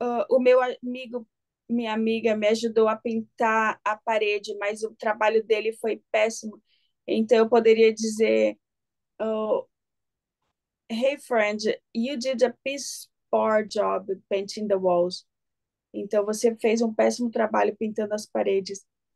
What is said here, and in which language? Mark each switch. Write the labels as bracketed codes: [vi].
[pt] O meu amigo, minha amiga, me ajudou a pintar a parede, mas o trabalho dele foi péssimo. Então, eu poderia dizer: [en] Hey, friend, you did a piss poor job painting the walls. [pt] Então, você fez um péssimo trabalho pintando as paredes.